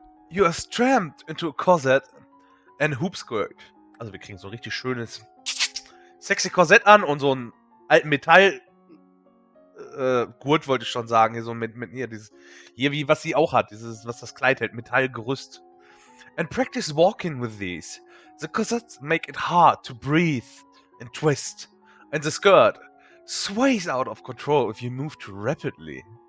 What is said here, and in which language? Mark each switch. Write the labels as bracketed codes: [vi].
[en] You are strapped into a corset and hoop skirt. [de] Also wir kriegen so ein richtig schönes sexy Korsett an und so einen alten Metall Gurt wollte ich schon sagen, hier so mit ihr, dieses, hier wie, was sie auch hat, dieses, was das Kleid hält, Metallgerüst. [en] And practice walking with these. The corsets make it hard to breathe and twist. And the skirt sways out of control if you move too rapidly.